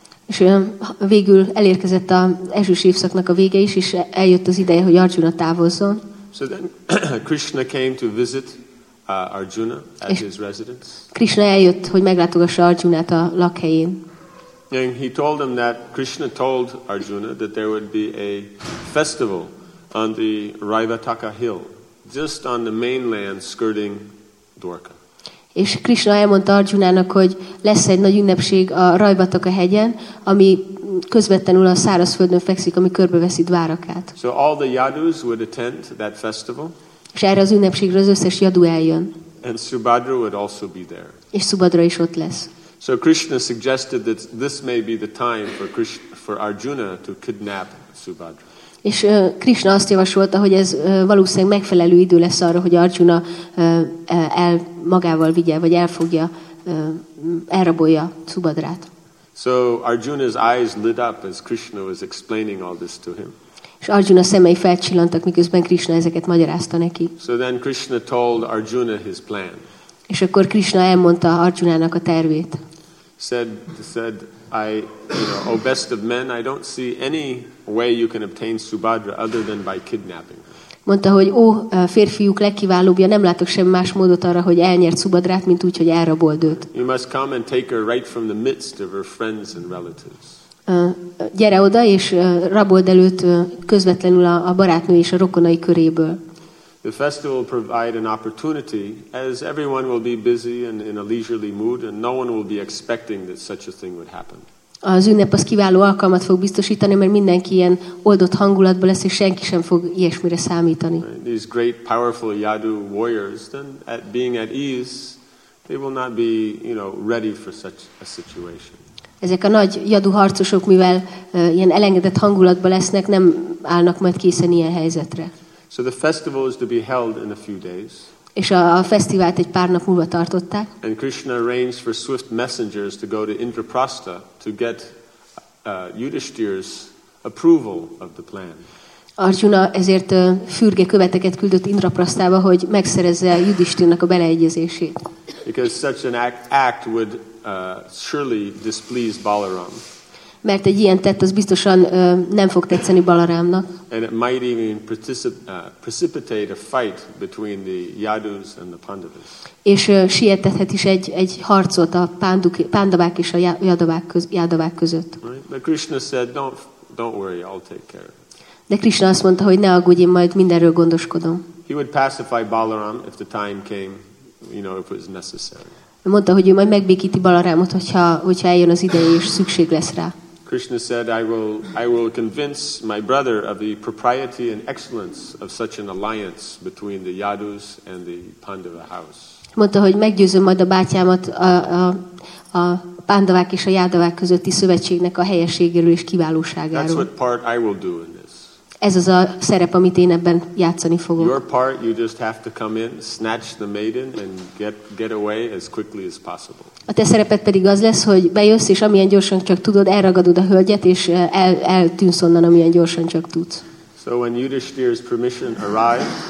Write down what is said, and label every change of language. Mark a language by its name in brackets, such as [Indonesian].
[Hungarian] És végül elérkezett az esős évszaknak a vége is, és eljött az ideje, hogy Arjuna távozzon. [English] So then Krishna came to visit Arjuna at his residence. [Hungarian] Krishna eljött, hogy meglátogassa Arjunát a lakhelyén. [English] And he told him that Krishna told Arjuna that there would be a festival on the Raivataka hill, just on the mainland skirting Dwarka. [Hungarian] És Krishna elmondta Arjunának, hogy lesz egy nagy ünnepség a Raivataka hegyen, ami közvetlenül a szárazföldön fekszik, ami körbeveszi Dwarakát. [English] So all the Yadus would attend that festival. [Hungarian] És erre az ünnepségre az összes Yadu eljön. [English] And Subhadra would also be there. [Hungarian] És Subhadra is ott lesz. [English] So Krishna suggested that this may be the time for Arjuna to kidnap Subhadra. [Hungarian] És Krishna azt javasolta, hogy ez valószínűleg megfelelő idő lesz arra, hogy Arjuna el magával vigye, vagy elfogja, elrabolja Subhadrát. [English] So Arjuna's eyes lit up as Krishna was explaining all this to him. [Hungarian] És Arjuna szemei felcsillantak, miközben Krishna ezeket magyarázta neki. [English] So then Krishna told Arjuna his plan. [Hungarian] És akkor Krishna elmondta Arjunának a tervét. [English] Said, I, you know, O best of men, I don't see any way you can obtain Subhadra other than by kidnapping. [Hungarian] Mondta, hogy ó, férfiúk legkiválóbbja, nem látok semmi más módot arra, hogy elnyert Subhadrát, mint úgy, hogy elrabold őt. [English] You must come and take her right from the midst of her friends and relatives. [Hungarian] Gyere oda, és rabold előtt közvetlenül a barátnő és a rokonai köréből. [English] The festival will provide an opportunity, as everyone will be busy and in a leisurely mood, and no one will be expecting that such a thing would happen. [Hungarian] Az ünnep az kiváló alkalmat fog biztosítani, mert mindenki ilyen oldott hangulatban lesz, és senki sem fog ilyesmire számítani. [English] These great, powerful Yadu warriors, then, at being at ease, they will not be, you know, ready for such a situation. [Hungarian] Ezek a nagy Yadu harcosok, mivel ilyen elengedett hangulatban lesznek, nem állnak majd készen ilyen helyzetre. [English] So the festival is to be held in a few days. [Hungarian] És a fesztivált egy pár nap múlva tartották. [English] And Krishna arranged for swift messengers to go to Indraprastha to get Yudhishthira's approval of the plan. [Hungarian] Arjuna ezért fürge követeket küldött Indraprasthába, hogy megszerezze Yudhishthirának a beleegyezését. [English] Because such an act would surely displease Balaram. [Hungarian] Mert egy ilyen tett az biztosan nem fog tetszeni Balarámnak. [English] And it might even precipitate a fight between the Yadus and the Pandavas. [Hungarian] És sietethet is egy harcot a Pandavák és a Yadavák között. [English] Right? But Krishna said, don't worry, I'll take care of it. [Hungarian] De Krishna azt mondta, hogy ne aggódj, én majd mindenről gondoskodom. [English] He would pacify Balaram if the time came, you know, if it was necessary. [Hungarian] Mondta, hogy ő majd megbékíti Balarámot, hogyha eljön az ideje és szükség lesz rá. [English] Krishna said, I will convince my brother of the propriety and excellence of such an alliance between the Yadus and the Pandava house. [Hungarian] Mondta, hogy meggyőzöm majd a bátyámat a Pandavák és a Yadavák közötti szövetségnek a helyességéről és kiválóságáról. [English] That's what part I will do in this. [Hungarian] Ez az a szerep, amit én ebben játszani fogok. [English] Your part, you just have to come in, snatch the maiden, and get away as quickly as possible. [Hungarian] A te szereped pedig az lesz, hogy bejössz, és amilyen gyorsan csak tudod, elragadod a hölgyet, és eltűnsz onnan, amilyen gyorsan csak tudsz. [English] So when Yudhishthira's permission arrived,